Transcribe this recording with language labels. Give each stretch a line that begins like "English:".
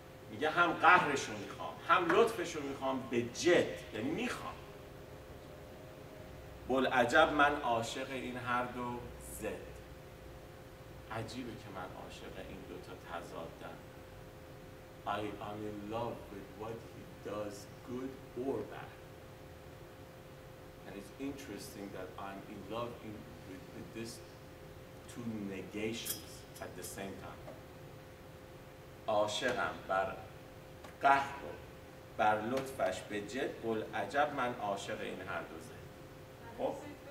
Persian: میگه هم قهرشو میخوام هم لطفشو میخوام به جد، یعنی میخوام. بلعجب من عاشق این هر دو زد. عجیبه که من عاشق این دوتا تضادم.
English: I'm in love with what he does, good or bad. And it's interesting that I'm in love in, with this two negations at the same time.
Persian: عاشقم بر قهر و بر لطفش به جد، بل عجب من عاشق این هر دو زد.